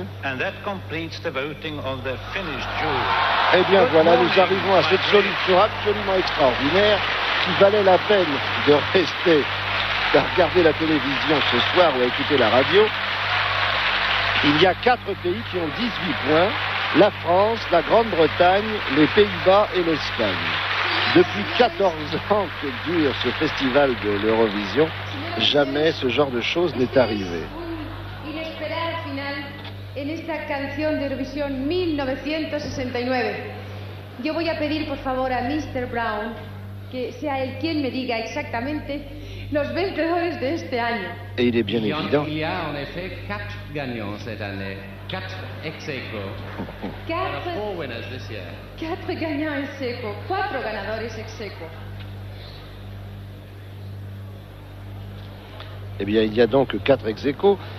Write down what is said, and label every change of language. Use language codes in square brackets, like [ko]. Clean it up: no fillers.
[en] And that completes the voting of the Finnish jury. [fr] Eh bien voilà, nous arrivons à cette solution absolument extraordinaire qui valait la peine de rester à regarder la télévision ce soir ou à écouter la radio. Il y a 4 pays qui ont 18 points. La France, la Grande-Bretagne, les Pays-Bas et l'Espagne. Depuis 14 ans que dure ce festival de l'Eurovision, jamais ce genre de choses n'est arrivé. [es] Inesperado final en esta canción de Eurovisión 1969. Yo voy a pedir por favor a Mr. Brown que sea él quien me diga exactamente los vencedores de este año. [fr] Et il est bien évident. Il y a en effet 4 gagnants cette année. 4 ex-aequo. [en] 4 winners this year. [fr] 4 gagnants ex-aequo. [es] 4 ganadores ex-aequo. [fr] Eh bien, il y a donc 4 ex-aequo.